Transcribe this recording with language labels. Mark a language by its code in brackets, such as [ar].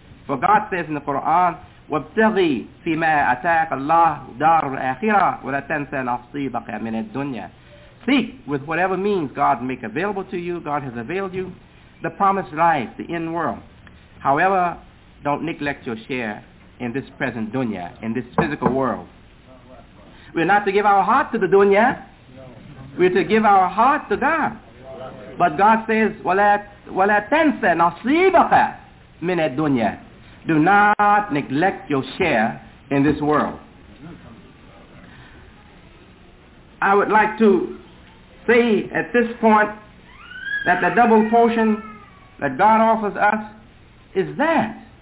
[en] For God says in the Quran, [ar] وَابْتَغِي فِي مَا أَتَاكَ اللَّهُ دَارُ الْآخِرَةِ وَلَا تَنْسَى نَصِيبَكَ مِنَ الدُّنْيَا. [en] Seek with whatever means God make available to you, God has availed you, the promised life, the end world. However, don't neglect your share in this present dunya, in this physical world. We're not to give our heart to the dunya. We're to give our heart to God. But God says, [ar] وَلَا تَنْسَ نَصِيبَكَ مِنَ الدُّنْيَا. [en] Do not neglect your share in this world. I would like to say at this point that the double portion that God offers us is that.